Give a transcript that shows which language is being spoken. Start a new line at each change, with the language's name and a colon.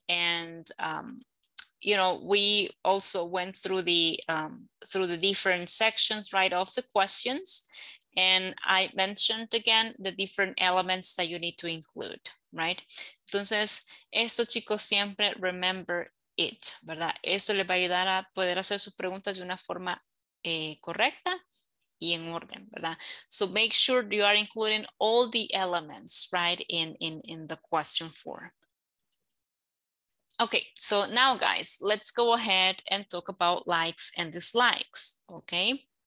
English: And, you know, we also went through the different sections, right, of the questions. And I mentioned again the different elements that you need to include, right?
Spanish: Entonces, esto chicos, siempre
English: remember it,
Spanish: ¿verdad? Eso les va a ayudar a poder hacer sus preguntas de una forma correcta y en orden, ¿verdad?
English: So make sure you are including all the elements, right, in the question form. Okay, so now guys, let's go ahead and talk about likes and dislikes, okay?